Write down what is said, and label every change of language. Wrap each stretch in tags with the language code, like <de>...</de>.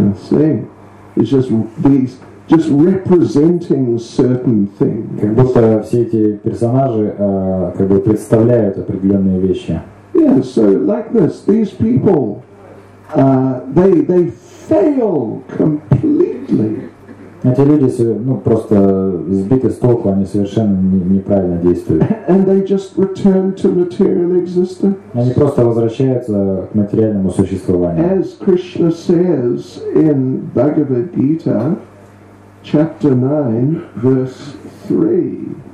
<en>See, it's just these, just representing certain things.</en> <ru>Как будто все эти персонажи как бы представляют определенные вещи.</ru> <en>Yeah, so like this, these people, they fail completely.</en> <ru>Эти люди, ну, просто сбиты с толку, они совершенно неправильно действуют.</ru> <en>And they just return to material existence.</en> <ru>Они просто возвращаются к материальному существованию.</ru> <en>As Krishna says in Bhagavad Gita, chapter 9, verse 3.</en>